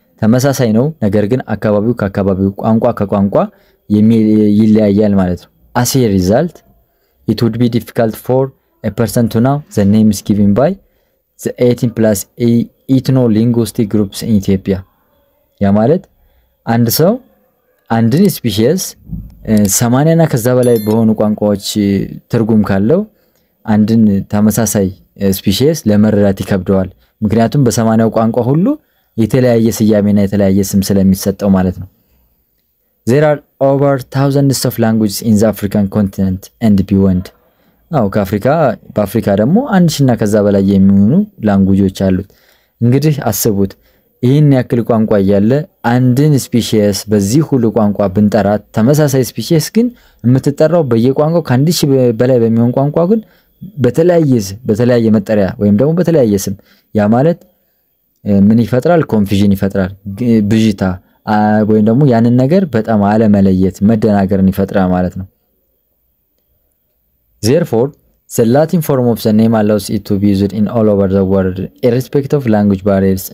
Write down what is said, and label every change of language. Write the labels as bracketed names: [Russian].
[Amharic] ተመሳሳይ ነው ነገር ግን አካባቢው ከአካባቢው ቋንቋ ከቋንቋ ይለያያል ማለት ነው. [English] as a result it would be difficult for a person to know the names given by the 18 plus a ethno linguistic groups in Ethiopia. [Amharic] ያ ማለት አንድ ሰው አንድን ስፒሺየስ 80 እና ከዛ በላይ በሆኑ ቋንቋዎች ትርጉም ካለው አንድን ተመሳሳይ ስፒሺየስ ለመረዳት ይከብደዋል. ምክንያቱም በ80ው ቋንቋ ሁሉ የተለያየ ስያሜና የተለያየ ስም ስለሚሰጠው ማለት ነው. [English] There are over thousands of languages in the African continent and beyond. [Amharic] አው ከአፍሪካ በአፍሪካ ደግሞ 1000 እና ከዛ በላይ የሚሆኑ ላንጉጆች አሉት. እንግዲህ አስቡት ይሄን ያክል ቋንቋ ያለ አንድን ስፒሺየስ በዚህ ሁሉ ቋንቋ ብንጠራ ተመሳሳይ ስፒሺየስ ግን የምትጠራው በየቋንቋው ከአንድ ሺህ በላይ በሚሆን ቋንቋ ግን በተለያየ መጠሪያ ወይም ደግሞ በተለያየ ስም. ያ ማለት ምን ይፈጥራል ኮንፊዥን ይፈጥራል ብዥታ ወይ ደግሞ ያንን ነገር በጣም አለመለየት መደናገርን ይፈጥራል ማለት ነው። [English] Therefore, the Latin form of the name allows it to be used in all over the world, irrespective of language barriers.